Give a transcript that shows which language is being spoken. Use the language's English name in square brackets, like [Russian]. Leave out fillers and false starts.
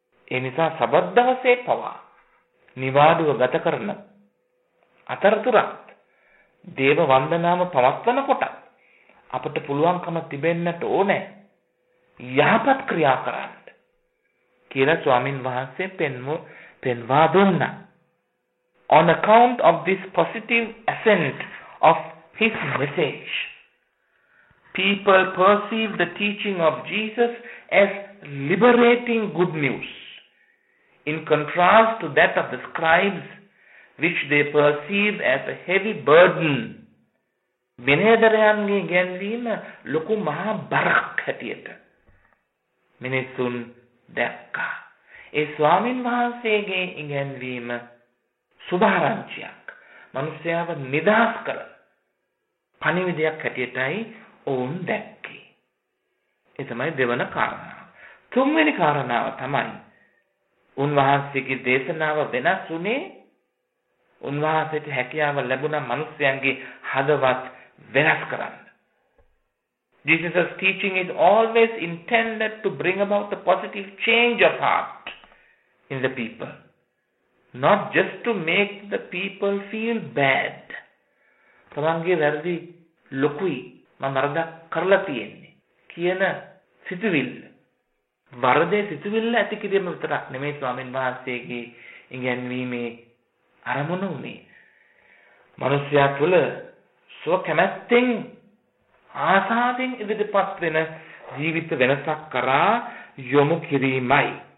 [Sinhala] ඒ නිසා සබත් දවසේ පවා නිවාඩුව ගත කරන අතරතුරත් දේව වන්දනාම පවත්වන කොට අපට පුළුවන්කම තිබෙන්නට ඕනේ යහපත් ක්‍රියා කරන්න කියලා ස්වාමින් වහන්සේ පෙන්වා දුන්නා. [English] On account of this positive ascent of his message, people perceive the teaching of Jesus as liberating good news, in contrast to that of the scribes, which they perceive as a heavy burden. [Sinhala] විනයදරයන්ගේ ගැන්වීම ලොකු මහා බරක් හැටියට මිනිසුන් දැක්කා. ඒ ස්වාමින් වහන්සේගේ ඉගැන්වීම සුභාරංචියක්, මනුස්සයාව නිදහස් කර පණිවිඩයක් හැටියටයි ඔවුන් දැක්කේ. ඒ තමයි දෙවන කාරණාව. තුන්වෙනි කාරණාව තමයි උන්වහන්සේගේ දේශනාව වෙනස් වුණේ උන්වහන්සේට හැකියාව ලැබුණ මනුස්සයන්ගේ හදවත් වෙනස් කරන්න. [English] Jesus' teaching is always intended to bring about a positive change of heart in the people, not just to make the people feel bad. [Sinhala] තමන්ගේ වැරදි ලොකුයි, මම වරදක් කරලා තියෙන්නේ කියන සිතුවිල්ල, වරදේ සිතුවිල්ල ඇති කිරීම විතරක් නෙමෙයි ස්වාමීන් වහන්සේගේ ඉගැන්වීමේ අරමුණ උනේ. මනුෂ්‍යයා තුළ සුවකැමැත්තෙන් ආසාවෙන් ඉදිරිපත් වෙන ජීවිත වෙනසක් කරා යොමු කිරීමයි.